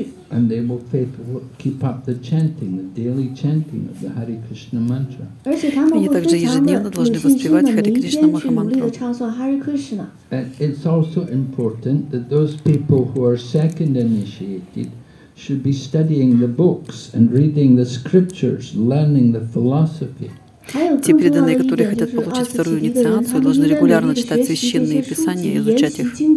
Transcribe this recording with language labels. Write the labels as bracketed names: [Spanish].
[English] And they will faithfully keep up the chanting, the daily chanting of the Hare Krishna mantra. [Russian] Они также ежедневно должны воспевать Харе Кришна Махамантру. [English] And it's also important that those people who are second initiated should be studying the books and reading the scriptures, learning the philosophy. [Russian] Те преданные, которые хотят получить вторую инициацию, должны регулярно читать священные писания и изучать их.